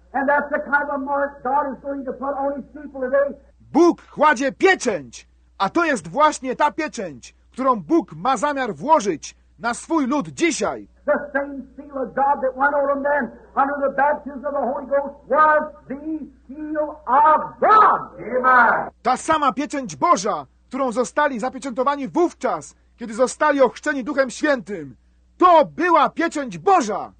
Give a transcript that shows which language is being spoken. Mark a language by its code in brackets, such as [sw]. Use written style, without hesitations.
[en] And that's the kind of mark God is going to put on his people today. [pl] Bóg kładzie pieczęć, a to jest właśnie ta pieczęć, którą Bóg ma zamiar włożyć na swój lud dzisiaj. [en] The same seal of God that went over them under the baptism of the Holy Ghost was the seal of God. Amen. [pl] Ta sama pieczęć Boża, którą zostali zapieczętowani wówczas, kiedy zostali ochrzczeni Duchem Świętym, to była pieczęć Boża.